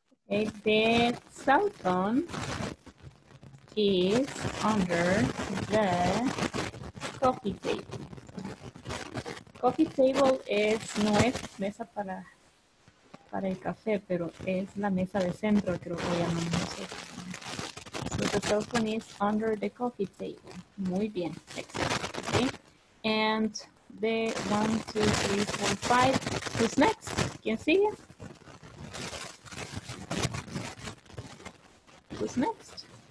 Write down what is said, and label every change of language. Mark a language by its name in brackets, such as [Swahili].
[English] Okay, the cell phone is under the coffee table. [Spanish] Coffee table is no es mesa para el café, pero es la mesa de centro, creo que llamamos. [English] So the cell phone is under the coffee table. [Spanish] Muy bien. [English] Excellent. Okay. And the 1, 2, 3, 4, 5. Who's next? [Spanish] ¿Quién sigue? [English] Who's next?